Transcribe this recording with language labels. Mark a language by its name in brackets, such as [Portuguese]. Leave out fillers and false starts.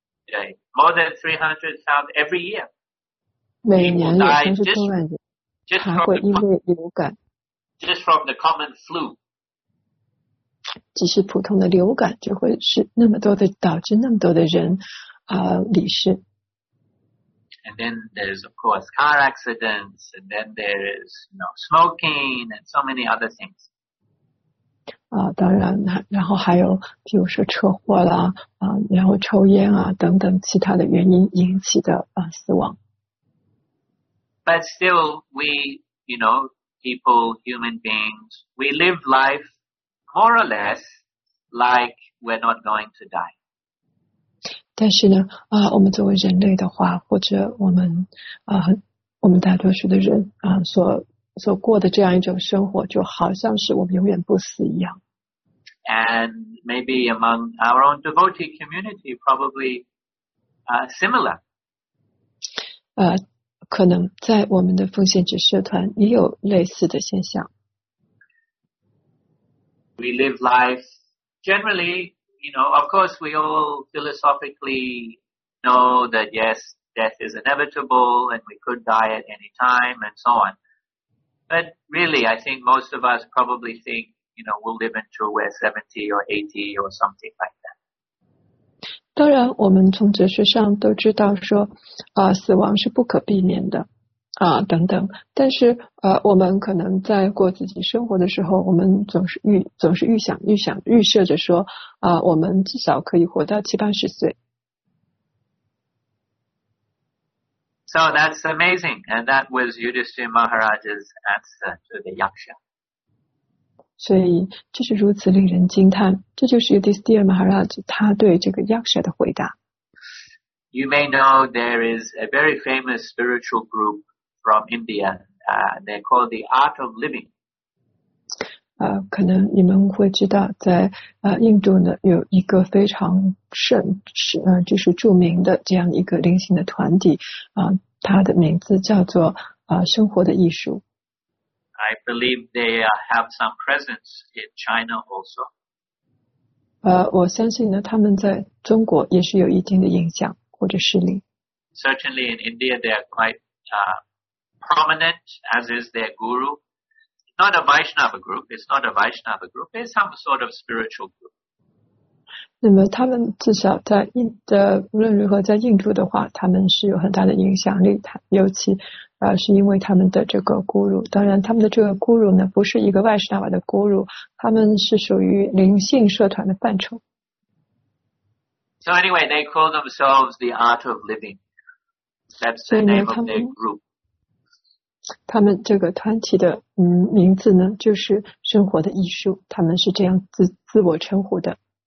[English] 对 ，more than 300,000 every year。 [Chinese] 每年有30,000人，他会因为流感。 [English] Just from the common flu. [Chinese] 只是普通的流感就会是那么多的导致那么多的人离世。 [English] And then there's of course car accidents, and then there is, you know, smoking and so many other things. [Chinese] 当然然后还有比如说车祸啦然后抽烟啊等等其他的原因引起的死亡。 [English] But still, we, you know, people, human beings, we live life more or less like we're not going to die. [Chinese] 但是呢，我们作为人类的话，或者我们我们大多数的人所过的这样一种生活，就好像是我们永远不死一样。 [English] And maybe among our own devotee community, probably, similar. [Chinese] 可能在我们的奉献者社团也有类似的现象。 [English] We live life generally, you know, of course we all philosophically know that yes, death is inevitable and we could die at any time and so on. But really, I think most of us probably think, you know, we'll live until we're 70 or 80 or something like that. [Chinese] 当然我们从哲学上都知道说死亡是不可避免的等等。但是我们可能在过自己生活的时候，我们总是预想预设着说我们至少可以活到七八十岁。 [English] So that's amazing. And that was Yudhishthira Maharaj's answer to the Yaksha. [Chinese] 所以这是如此令人惊叹。这就是 Yudhishthira Maharaj 他对这个 Yaksha 的回答。 [English] You may know there is a very famous spiritual group from India. They're called the Art of Living. [Chinese] 可能你们会知道在印度呢有一个非常盛就是著名的这样一个灵性的团体它的名字叫做生活的艺术。 [English] I believe they have some presence in China also. [Chinese] 我相信呢他们在中国也是有一定的影响或者势力。 [English] Certainly in India they are quite prominent as is their guru. Not a Vaishnava group, it's not a Vaishnava group, it's some sort of spiritual group. [Chinese] 那么他们至少在印的无论如何在印度的话他们是有很大的影响力尤其是因为他们的这个 guru, 当然他们的这个 guru 呢不是一个 Vaishnava 的 guru, 他们是属于灵性社团的范畴。 [English] So anyway, they call themselves the Art of Living. That's the name of their group. [Chinese] 他们这个团体的名字呢就是生活的艺术他们是这样 自我称呼的。